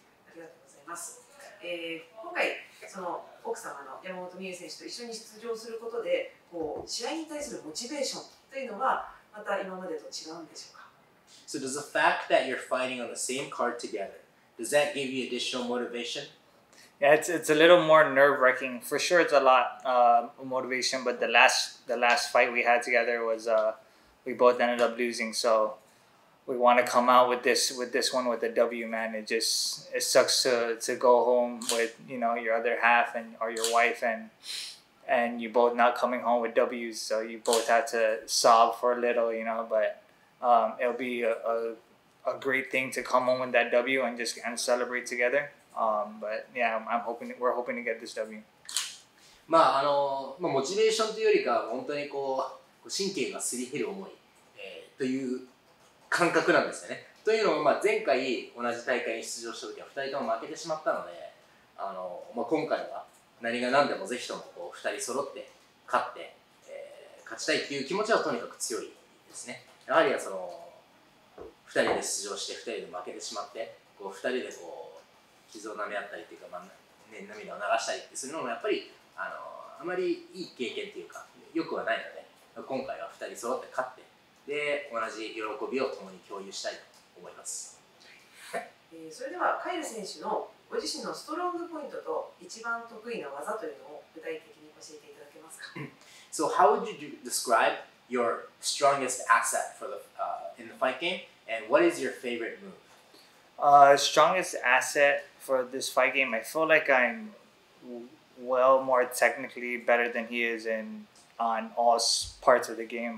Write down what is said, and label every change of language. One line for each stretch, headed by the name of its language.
Japanese: ありがとうございます。今回その奥様の山本美優選手と一緒に出場することで、こう試合に対するモチベーションというのはまた今までと違うんでしょうか？
English: So does the fact that you're fighting on the same card together, does that give you additional motivation? Yeah, it's a little more nerve-wracking. For sure it's a lot of motivation, but the last fight we had together was we both ended up losing, so... We want to come out with this one with a W, man. It sucks to go home with, you know, your other half and or your wife and you both not coming home with W's. So you both had to sob for a little, you know, but it'll be a great thing to come home with that W and just kind of celebrate together. But yeah, we're hoping to get this W.
Japanese: まあ、モチベーションというよりか、本当にこう、神経がすり減る思い、という感覚なんですよね。というのも、まあ、前回同じ大会に出場した時は2人とも負けてしまったので、今回は何が何でもぜひともこう2人揃って勝って、勝ちたいっていう気持ちはとにかく強いですね。やはりはその2人で出場して2人で負けてしまってこう2人でこう傷を舐め合ったりっていうか、まあね、涙を流したりってするのもやっぱり、あまりいい経験っていうか良くはないので、今回は2人揃って勝ってで、同じ喜びを共に共有したいと思います。それではカイル選手のご自身のストロングポイントと一番得意な技というのを具体的に教えていただけますか？
English: So how would you describe your strongest asset for the, in the fight game? And what is your favorite move? Strongest asset for this fight game? I feel like I'm well more technically better than he is in, on all parts of the game.